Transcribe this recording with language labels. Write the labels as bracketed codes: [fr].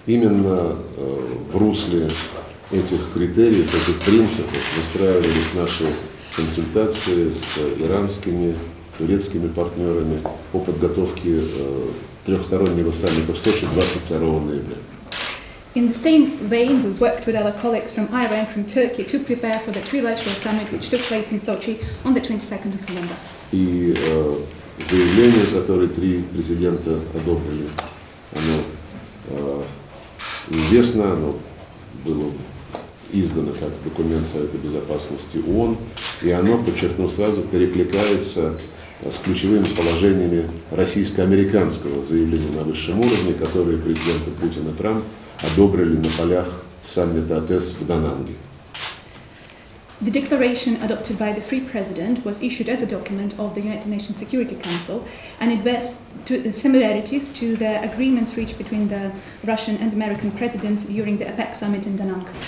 [ru] Именно в русле этих критериев, этих принципов, выстраивались наши консультации с иранскими, турецкими партнерами по подготовке трехстороннего саммита в Сочи 22 ноября. [en] In the same vein, we worked with other colleagues from Iran, from Turkey, to prepare for the trilateral summit, which took place in Sochi on the 22nd of November. [ru] И заявление, которое три президента одобрили, оно известно, оно было издано как документ Совета Безопасности ООН, и оно, подчеркну сразу, перекликается с ключевыми положениями российско-американского заявления на высшем уровне, которые президенты Путин и Трамп одобрили на полях саммита ОТЭС в Дананге. [en] The declaration adopted by the free president was issued as a document of the United Nations Security Council, and it bears similarities to the agreements reached between the Russian and American presidents during the APEC summit in Dananga.